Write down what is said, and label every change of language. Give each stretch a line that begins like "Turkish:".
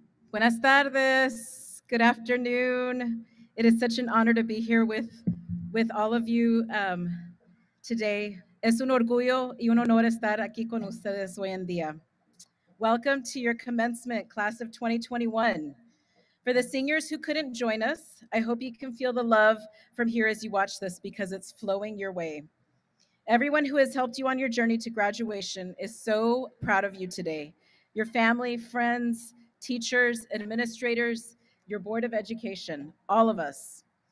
Spanish: Buenas tardes,
English: good afternoon. It is such an honor to be here with all of you today.
Spanish: Es un orgullo y un honor estar aquí con ustedes hoy en día.
English: Welcome to your commencement, class of 2021. For the seniors who couldn't join us, I hope you can feel the love from here as you watch this because it's flowing your way. Everyone who has helped you on your journey to graduation is so proud of you today. Your family, friends, teachers, administrators, your Board of Education, all of us.